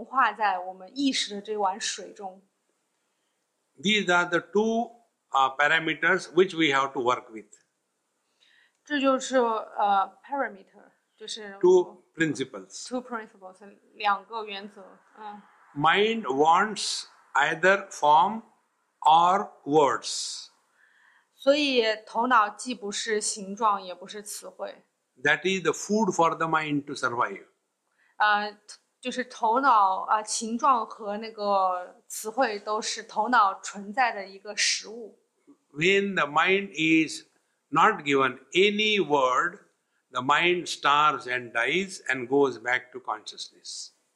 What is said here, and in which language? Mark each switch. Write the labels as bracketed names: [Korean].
[Chinese] 所以我们的头脑就像那个冰块一样，它会慢慢的融化在我们意识的这碗水中。 [English] These are the two parameters which we have to work with. [Chinese] 这就是 parameter, 就是 [English] two principles. [Chinese] Two principles, 两个原则。 [English] Mind wants either form or words. [Chinese] 所以头脑既不是形状，也不是词汇。 [English] That is the food for the mind to survive. [Chinese] 就是头脑，形状和那个词汇都是头脑存在的一个食物。 [English] When the mind is not given any word, the mind starves and dies and goes back to consciousness.